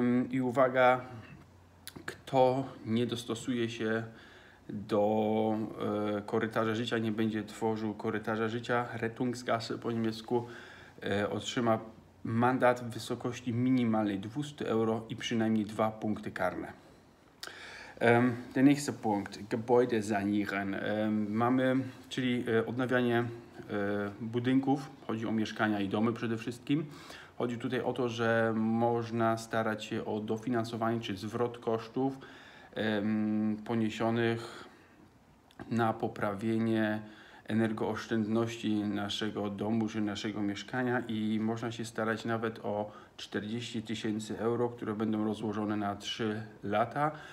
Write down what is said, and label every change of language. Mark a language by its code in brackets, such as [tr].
[pl] I uwaga, kto nie dostosuje się do korytarza życia, nie będzie tworzył korytarza życia, Rettungsgasse po niemiecku, otrzyma mandat w wysokości minimalnej 200 euro i przynajmniej dwa punkty karne. [de] Der nächste Punkt, Gebäude sanieren. [pl] Mamy, czyli odnawianie budynków, chodzi o mieszkania i domy przede wszystkim. Chodzi tutaj o to, że można starać się o dofinansowanie czy zwrot kosztów poniesionych na poprawienie energooszczędności naszego domu czy naszego mieszkania i można się starać nawet o 40 tysięcy euro, które będą rozłożone na 3 lata.